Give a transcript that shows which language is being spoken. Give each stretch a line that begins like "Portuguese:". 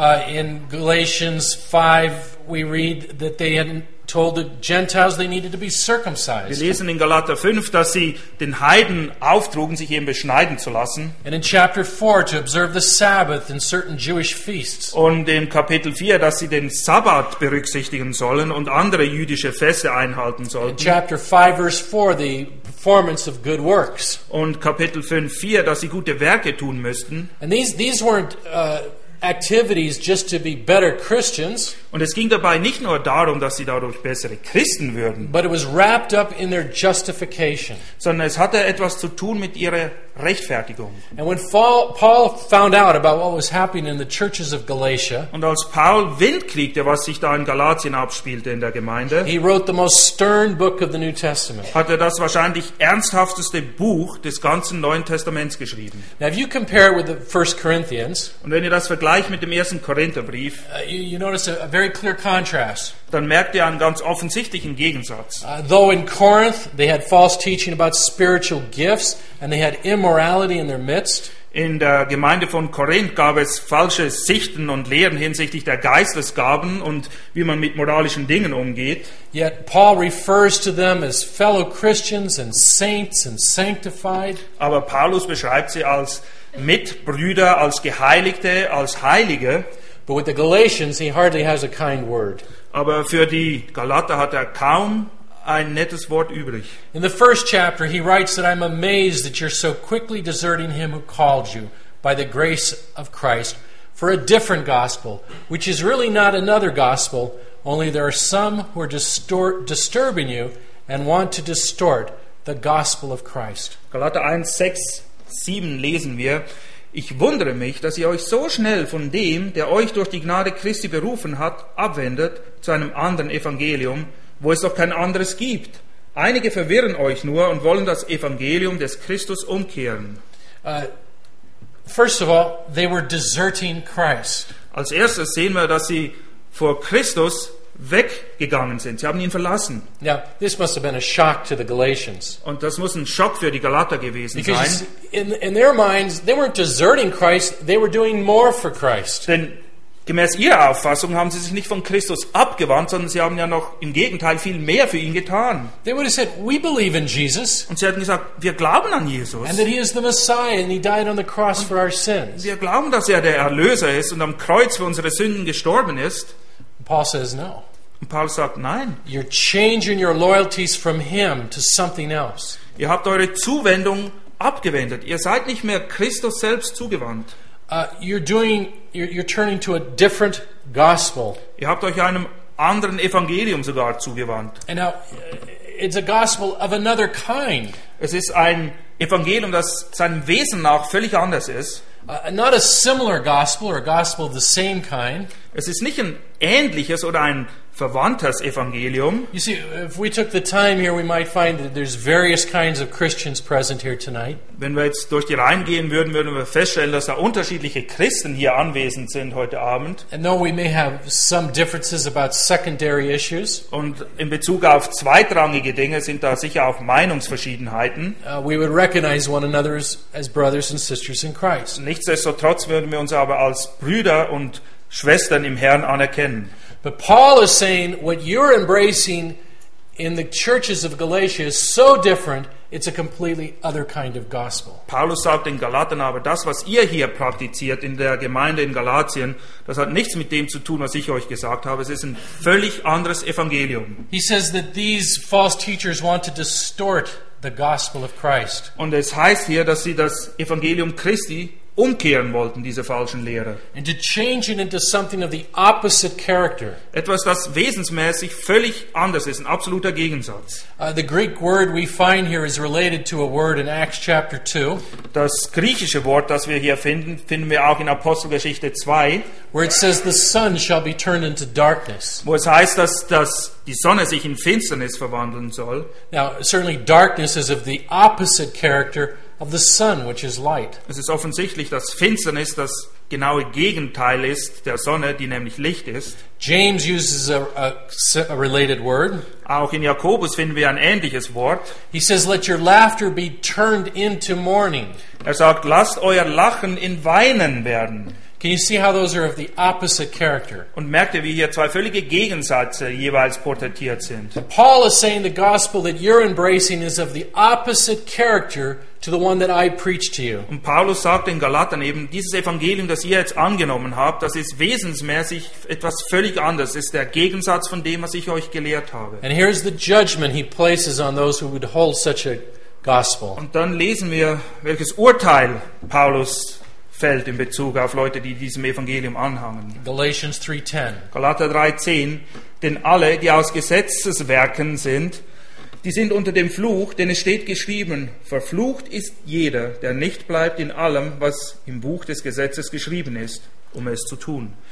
English: In Galatians 5 we read that they had told the Gentiles they needed to be circumcised.
German: Wir lesen in Galater 5, dass sie den Heiden auftrugen, sich eben beschneiden zu lassen.
English: And in chapter 4 to observe the Sabbath and certain Jewish feasts.
German: Und in Kapitel 4, dass sie den Sabbat berücksichtigen sollen und andere jüdische Feste einhalten sollten.
English: In chapter 5 verse 4 the performance of good works.
German: Und Kapitel 5 4, dass sie gute Werke tun müssten.
English: And these weren't activities just to be better Christians.
German: Und es ging dabei nicht nur darum, dass sie dadurch bessere Christen würden,
English: but it was wrapped up in their justification.
German: Sondern es hatte etwas zu tun mit ihrer Rechtfertigung.
English: And when Paul found out about what was happening in the churches of Galatia,
German: und als Paul Wind kriegte, was sich da in Galatien abspielte in der Gemeinde,
English: he wrote the most stern book of the New Testament.
German: Hat das wahrscheinlich ernsthafteste Buch des ganzen Neuen Testaments geschrieben.
English: Now if you compare it with the 1 Corinthians,
German: und wenn ihr das vergleicht mit dem 1. Korintherbrief,
English: you notice a very clear contrast.
German: Dann merkt ihr einen ganz offensichtlichen Gegensatz.
English: Though in Corinth they had false teaching about spiritual gifts and they had immorality in their midst.
German: In der Gemeinde von Korinth gab es falsche Sichten und Lehren hinsichtlich der Geistesgaben und wie man mit moralischen Dingen umgeht.
English: Yet Paul refers to them as fellow Christians and saints and sanctified.
German: Aber Paulus beschreibt sie als Mitbrüder, als Geheiligte, als Heilige.
English: But with the Galatians, he hardly has a kind word.
German: Aber für die Galater hat kaum ein nettes Wort übrig.
English: In the first chapter, he writes that I'm amazed that you're so quickly deserting him who called you by the grace of Christ for a different gospel, which is really not another gospel, only there are some who are disturbing you and want to distort the gospel of Christ.
German: Galater 1, 6, 7 lesen wir. Ich wundere mich, dass ihr euch so schnell von dem, der euch durch die Gnade Christi berufen hat, abwendet zu einem anderen Evangelium, wo es doch kein anderes gibt. Einige verwirren euch nur und wollen das Evangelium des Christus umkehren.
English: First of all, they were deserting Christ.
German: Als erstes sehen wir, dass sie vor Christus weggegangen sind. Sie haben ihn verlassen.
English: Now, this must have been a shock to the Galatians.
German: Und das muss ein Schock für die Galater gewesen
English: Because
German: sein.
English: In their minds, they weren't deserting Christ, they were doing more for Christ.
German: Denn gemäß ihrer Auffassung haben sie sich nicht von Christus abgewandt, sondern sie haben ja noch im Gegenteil viel mehr für ihn getan.
English: They would have said, we believe in Jesus.
German: Und sie hätten gesagt, wir glauben an Jesus.
English: And that he is the Messiah and he died on the cross for our sins.
German: Wir glauben, dass er der Erlöser ist und am Kreuz für unsere Sünden gestorben ist.
English: Paul says no.
German: Und Paul sagt nein.
English: You're changing your loyalties from him to something else.
German: Ihr habt eure Zuwendung abgewendet. Ihr seid nicht mehr Christus selbst zugewandt.
English: You're turning to a different gospel.
German: Ihr habt euch einem anderen Evangelium sogar zugewandt.
English: And now, it's a gospel of another kind.
German: Es ist ein Evangelium, das seinem Wesen nach völlig anders ist.
English: Not a similar gospel or a gospel of the same kind.
German: Es ist nicht ein ähnliches oder ein verwandtes Evangelium.
English: You see, if we took the time here, we might find that there's various kinds of Christians present here tonight.
German: Wenn wir jetzt durch die Reihen gehen würden, würden wir feststellen, dass da unterschiedliche Christen hier anwesend sind heute Abend.
English: And though we may have some differences about secondary issues.
German: Und in Bezug auf zweitrangige Dinge sind da sicher auch Meinungsverschiedenheiten.
English: We would recognize one another as brothers and sisters in Christ.
German: Nichtsdestotrotz würden wir uns aber als Brüder und Schwestern im Herrn anerkennen.
English: But Paul is saying what you're embracing in the churches of Galatia is so different, it's a completely other kind of gospel.
German: Paulus sagt den Galatern aber, das was ihr hier praktiziert in der Gemeinde in Galatien, das hat nichts mit dem zu tun, was ich euch gesagt habe. Es ist ein völlig anderes Evangelium.
English: He says that these false teachers want to distort the gospel of Christ.
German: Und es heißt hier, dass sie das Evangelium Christi umkehren wollten, diese falschen Lehrer.
English: And to change it into something of the opposite character.
German: Etwas, das wesensmäßig völlig anders ist, ein absoluter Gegensatz.
English: The Greek word we find here is related to a word in Acts chapter 2.
German: Das griechische Wort, das wir hier finden, finden wir auch in Apostelgeschichte 2,
English: where it says the sun shall be turned into darkness.
German: Wo es heißt, dass die Sonne sich in Finsternis verwandeln soll.
English: Now, certainly darkness is of the opposite character of the sun, which is light.
German: Es ist offensichtlich, dass Finsternis das genaue Gegenteil ist der Sonne, die nämlich Licht ist.
English: James uses a related word.
German: Auch in Jakobus finden wir ein ähnliches Wort.
English: He says, "Let your laughter be turned into mourning."
German: Er sagt, lasst euer Lachen in Weinen werden.
English: Can you see how those are of the opposite character?
German: Und merkt ihr, wie hier zwei völlige Gegensätze jeweils porträtiert sind?
English: Paul is saying the gospel that you're embracing is of the opposite character to the one that I preach to you.
German: Und Paulus sagt den Galatern eben, dieses Evangelium, das ihr jetzt angenommen habt, das ist wesensmäßig etwas völlig anderes, ist der Gegensatz von dem, was ich euch gelehrt habe.
English: And here's the judgment he places on those who would hold such a gospel.
German: Und dann lesen wir, welches Urteil Paulus fällt in Bezug auf Leute, die diesem Evangelium anhangen.
English: Galatians 3:10.
German: Galater 3:10, denn alle, die aus Gesetzeswerken sind, die sind unter dem Fluch, denn es steht geschrieben, verflucht ist jeder, der nicht bleibt in allem, was im Buch des Gesetzes geschrieben ist, um es zu tun.